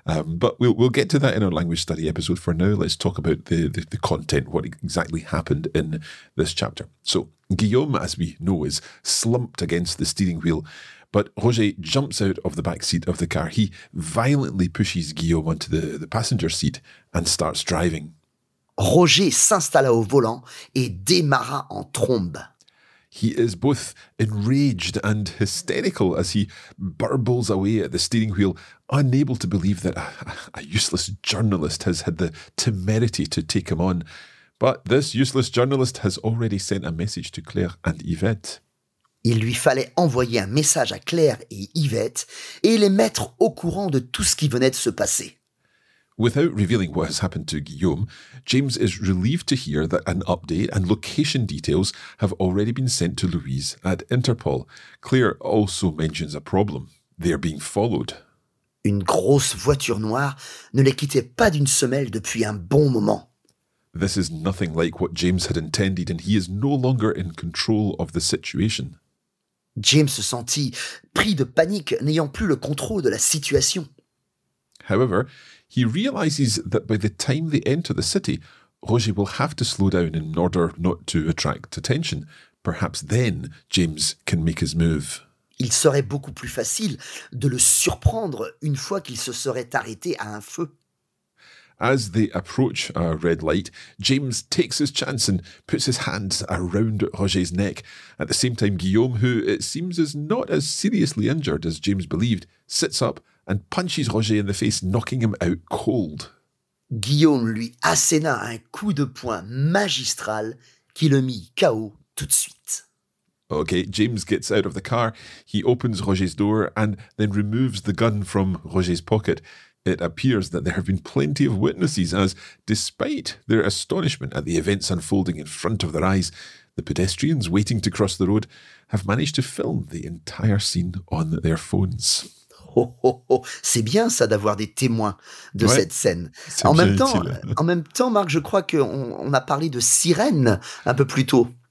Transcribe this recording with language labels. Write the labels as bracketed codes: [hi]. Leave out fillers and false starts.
[en] But we'll get to that in our language study episode. For now, let's talk about the content, what exactly happened in this chapter. So Guillaume, as we know, is slumped against the steering wheel, but Roger jumps out of the back seat of the car. He violently pushes Guillaume onto the passenger seat and starts driving. [fr] Roger s'installa au volant et démarra en trombe. [en] He is both enraged and hysterical as he burbles away at the steering wheel, unable to believe that a useless journalist has had the temerity to take him on. But this useless journalist has already sent a message to Claire and Yvette. [fr] Il lui fallait envoyer un message à Claire et Yvette et les mettre au courant de tout ce qui venait de se passer. [en] Without revealing what has happened to Guillaume, James is relieved to hear that an update and location details have already been sent to Louise at Interpol. Claire also mentions a problem. They are being followed. [fr] Une grosse voiture noire ne les quittait pas d'une semelle depuis un bon moment. [en] This is nothing like what James had intended, and he is no longer in control of the situation. [fr] James se sentit pris de panique, n'ayant plus le contrôle de la situation. [en] However, he realizes that by the time they enter the city, Roger will have to slow down in order not to attract attention. Perhaps then, James can make his move. [fr] Il serait beaucoup plus facile de le surprendre une fois qu'il se serait arrêté à un feu. [en] As they approach a red light, James takes his chance and puts his hands around Roger's neck. At the same time, Guillaume, who it seems is not as seriously injured as James believed, sits up and punches Roger in the face, knocking him out cold. [fr] Guillaume lui asséna un coup de poing magistral qui le mit KO tout de suite. [en] Okay, James gets out of the car, he opens Roger's door and then removes the gun from Roger's pocket. It appears that there have been plenty of witnesses as, despite their astonishment at the events unfolding in front of their eyes, the pedestrians waiting to cross the road have managed to film the entire scene on their phones. Oh, oh, oh. [fr] C'est bien ça d'avoir des témoins de ouais, cette scène. En même temps, Marc, je crois qu'on a parlé de sirènes un peu plus tôt.